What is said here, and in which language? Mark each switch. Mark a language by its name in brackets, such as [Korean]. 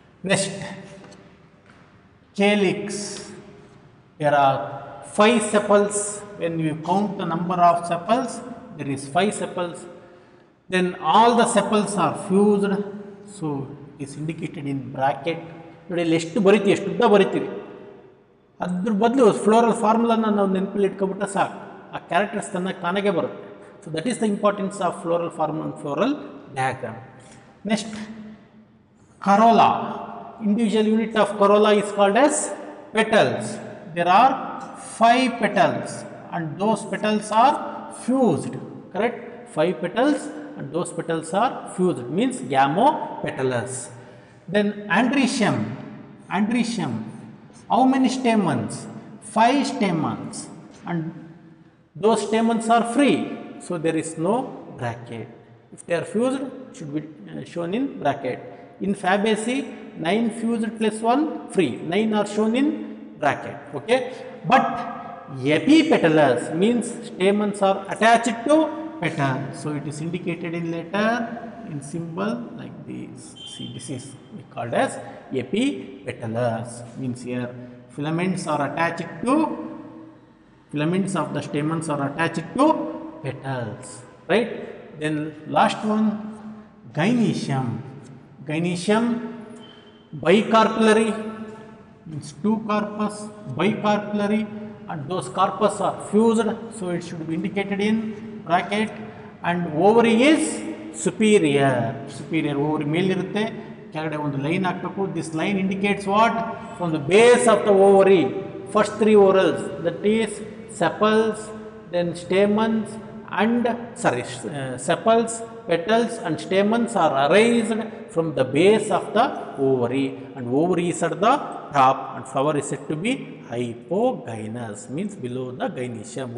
[English] Next, calyx, there are five sepals. When you count the number of sepals, there is five sepals. Then all the sepals are fused, so it is indicated in bracket. [Kannada] ನೋಡಿ ಎಷ್ಟು ಬರಿತೀವಿ, ಎಷ್ಟು ಉದ್ದ ಬರಿತೀವಿ. ಅದ್ರ ಬದಲು floral ಫಾರ್ಮುಲನ್ನ ನಾವು ನೆನಪಲ್ಲಿ ಇಟ್ಕೊಬಿಟ್ಟರೆ ಸಾಕು, ಆ ಕ್ಯಾರೆಕ್ಟರ್ಸ್ ತನ್ನ ಕಾಣಗೆ ಬರುತ್ತೆ. [English] So that is the importance of floral formula and floral diagram. Next, corolla, individual unit of corolla is called as petals. There are five petals and those petals are fused, correct? Five petals and those petals are fused, means gamopetalous. Then andrecium, andrecium, how many stamens? Five stamens, and those stamens are free, so there is no bracket. If they are fused, should be shown in bracket. In Fabaceae, 9 fused plus 1 free, 9 are shown in bracket. Okay, but epipetalous means stamens are attached to petal, so it is indicated in letter, in symbol like this. See, this is called as epipetalous, means here filaments are attached to, filaments of the stamens are attached to petals, right? Then last one, gynoecium. Gynoecium, bicarpillary means two corpus, bicarpillary, and those corpus are fused, so it should be indicated in bracket. And ovary is superior, superior ovary [Kannada] male irutte, ಕೆಳಗಡೆ ಒಂದು line ಹಾಕ್ಬೇಕು. [English] This line indicates what? From the base of the ovary, first three whorls, that is sepals, then stamens and sorry sepals petals and stamens are arised from the base of the ovary, and ovary is at the top, and flower is set to be hypogynous, means below the gynoecium.